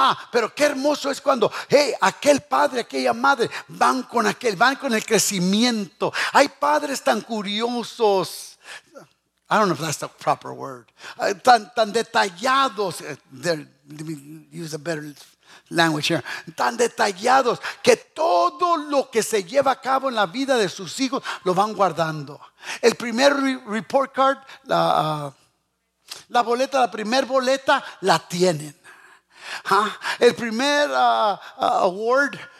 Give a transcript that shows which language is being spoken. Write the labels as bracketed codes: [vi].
[es] Pero qué hermoso es cuando aquel padre, aquella madre van con el crecimiento. Hay padres tan curiosos. [en] I don't know if that's the proper word. [es] Tan detallados. [en] Let me use a better language here. [es] Tan detallados que todo lo que se lleva a cabo en la vida de sus hijos lo van guardando. El primer report card, la primera boleta la tienen. El primer award.